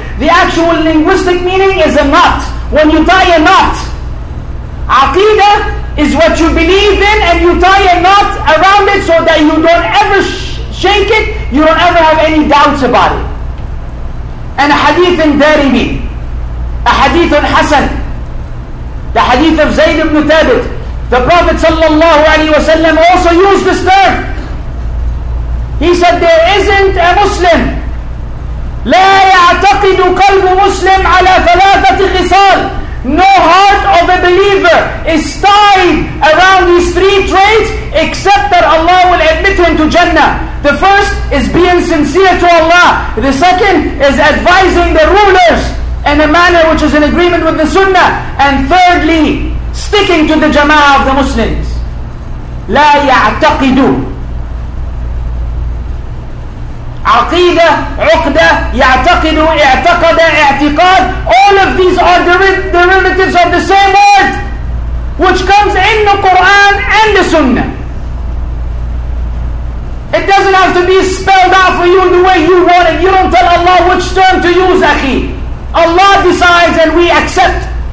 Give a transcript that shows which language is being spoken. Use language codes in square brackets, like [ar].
[en] The actual linguistic meaning is a knot. When you tie a knot, aqidah is what you believe in, and you tie a knot around it so that you don't ever shake it, you don't ever have any doubts about it. And a hadith in Darimi, a hadith in Hassan, the hadith of Zayd ibn Thabit, the Prophet sallallahu alaihi wasallam also used this term. He said, there isn't a Muslim, [ar] لا يعتقد قلب مسلم على ثلاثة خصال. [en] No heart of a believer is tied around these three traits, except that Allah will admit him to Jannah. The first is being sincere to Allah. The second is advising the rulers in a manner which is in agreement with the Sunnah. And thirdly, sticking to the Jama'ah of the Muslims. [ar] لا يعتقدوا. عقيدة, عقدة, يعتقدوا, اعتقد, اعتقاد. [en] All of these are derivatives of the same word, which comes in the Quran and the Sunnah. It doesn't have to be spelled out for you the way you want it. You don't tell Allah which term to use, akhi. Allah decides and we accept.